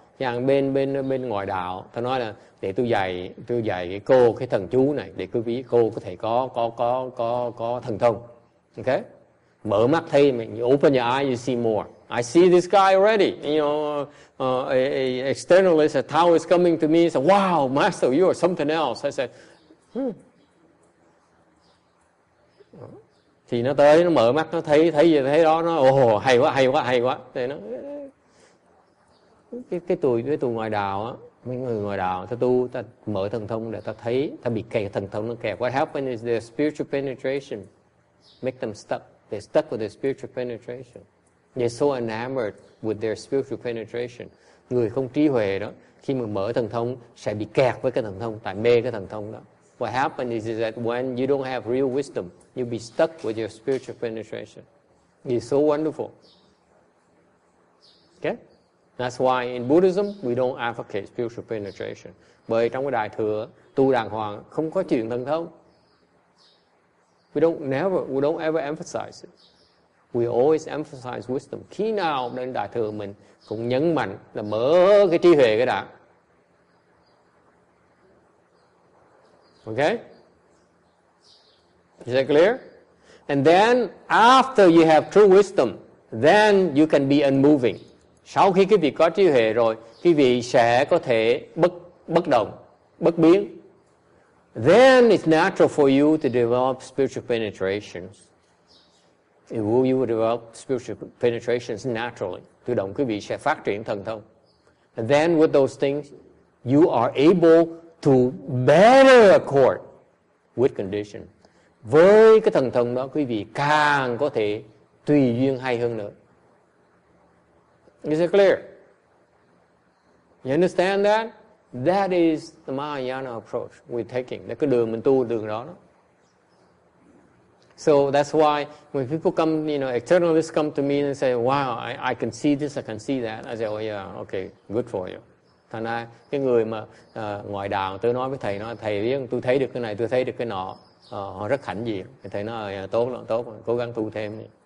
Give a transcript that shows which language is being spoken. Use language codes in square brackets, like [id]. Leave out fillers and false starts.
[vi] Chàng bên ngoài đạo, ta nói là để tôi dạy cái cô cái thần chú này để quý vị cô có thể có thần thông. [en] Okay? [vi] Mở mắt thấy mình, [en] you open your eyes, you see more. I see this guy already. You know, an externalist, a Taoist is coming to me and said, wow, master, you are something else. I said, [vi] Thì nó tới, nó mở mắt, nó thấy gì, thấy đó, nó, oh, hay quá. Thì nó, cái tụi ngoài đạo á, mấy người ngoài đạo, ta tu, ta mở thần thông để ta thấy, ta bị kẹt, thần thông nó kẹt. [en] What happened is their spiritual penetration make them stuck. They're stuck with their spiritual penetration. They're so enamored with their spiritual penetration. [vi] Người không trí huệ đó, khi mà mở thần thông, sẽ bị kẹt với cái thần thông, tại mê cái thần thông đó. [en] What happened is that when you don't have real wisdom, you'll be stuck with your spiritual penetration. It's so wonderful. Okay? That's why in Buddhism, we don't advocate spiritual penetration. [vi] Bởi trong cái đại thừa, tu đàng hoàng, không có chuyện thần thông. [en] We don't ever emphasize it. We always emphasize wisdom. [vi] Khi nào đến đại thừa mình cũng nhấn mạnh là mở cái trí huệ cái đã. [en] Okay? Is that clear? And then after you have true wisdom, then you can be unmoving. [vi] Sau khi quý vị có trí huệ rồi, quý vị sẽ có thể bất động, bất biến. [en] Then it's natural for you to develop spiritual penetrations. You will develop spiritual penetrations naturally. [vi] Tự động quý vị sẽ phát triển thần thông. [en] And then with those things, you are able to better accord with condition. [vi] Với cái thần thông đó, quý vị càng có thể tùy duyên hay hơn nữa. [en] Is it clear? You understand that? That is the Mahayana approach we're taking. [vi] Cái đường mình tu đường đó. [en] So that's why when people come, you know, externalists come to me and say, wow, I can see this, I can see that. I say, oh yeah, okay, good for you. [vi] Thành ra cái người mà ngoài đạo tôi nói với thầy nó, thầy biết tôi thấy được cái này, tôi thấy được cái nọ, họ rất hãnh diện. Thầy nói, tốt, cố gắng tu thêm.